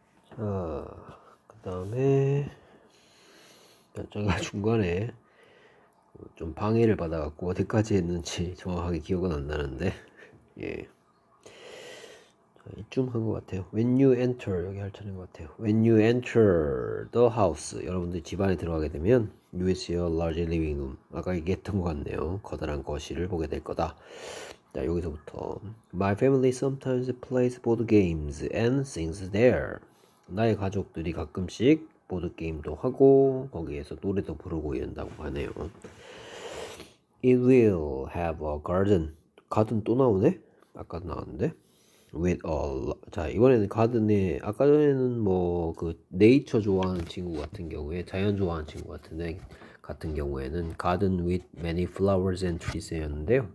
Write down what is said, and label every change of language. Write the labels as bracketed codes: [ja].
[ko] 자, 그 다음에 제가 중간에 좀 방해를 받아갖고 어디까지 했는지 정확하게 기억은 안 나는데 예. 이쯤 한것 같아요. [en] When you enter [ko] 여기 할 차례인 것 같아요. [en] When you enter the house [ko] 여러분들 집 안에 들어가게 되면 [en] You will see a large living room. [ko] 아까 얘기했던 것 같네요. 커다란 거실을 보게 될 거다. 자, 여기서부터 [en] My family sometimes plays board games and sings there. [ko] 나의 가족들이 가끔씩 보드 게임도 하고 거기에서 노래도 부르고 이런다고 하네요. [en] It will have a garden. [ko] 가든 또 나오네? 아까도 나왔는데. With all 자 이번에는 가든에 아까 전에는 뭐그 네이처 좋아하는 친구 같은 경우에 자연 좋아하는 친구 같은 경우에는 [en] garden with many flowers and trees [ko] 였는데요.